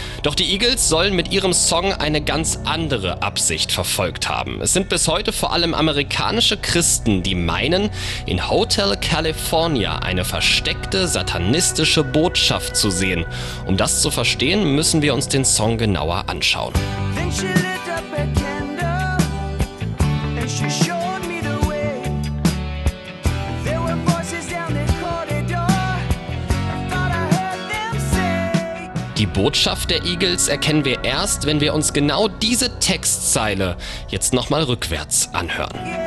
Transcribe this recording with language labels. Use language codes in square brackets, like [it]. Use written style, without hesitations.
[de] Doch die Eagles sollen mit ihrem Song eine ganz andere Absicht verfolgt haben. Es sind bis heute vor allem amerikanische Christen, die meinen, in Hotel California eine versteckte satanistische Botschaft zu sehen. Um das zu verstehen, müssen wir uns den Song genauer anschauen. [en] Then she lit up a candle and she showed me the way. There were voices down the corridor. I thought I heard them say. [de] Die Botschaft der Eagles erkennen wir erst, wenn wir uns genau diese Textzeile jetzt nochmal rückwärts anhören.